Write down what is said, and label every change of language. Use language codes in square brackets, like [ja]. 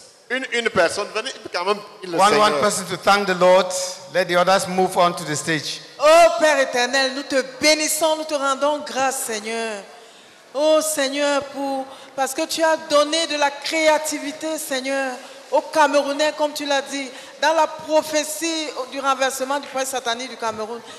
[fr] Une personne, venez quand même bénir le Seigneur. [en] One person to thank the Lord. Let the others move on to the stage. [fr] Oh Père éternel, nous te bénissons, nous te rendons grâce, Seigneur. Oh Seigneur, parce que tu as donné de la créativité, Seigneur, aux Camerounais, comme tu l'as dit, dans la prophétie du renversement du prince satanique du Cameroun.